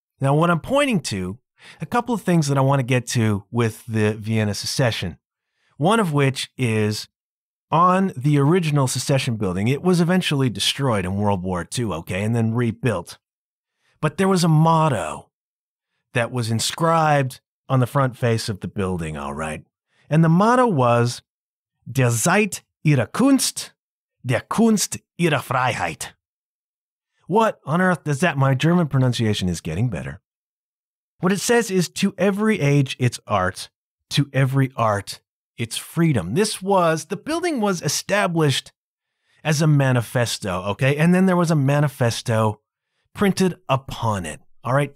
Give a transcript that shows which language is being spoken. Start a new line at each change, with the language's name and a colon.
English: Now, what I'm pointing to, a couple of things that I want to get to with the Vienna Secession, one of which is on the original Secession building, it was eventually destroyed in World War II, okay, and then rebuilt. But there was a motto that was inscribed on the front face of the building, all right? And the motto was,
German: Der Zeit ihre Kunst, der Kunst ihre Freiheit.
English: What on earth does that? My German pronunciation is getting better. What it says is, to every age its art, to every art its freedom. The building was established as a manifesto, okay? And then there was a manifesto printed upon it, all right?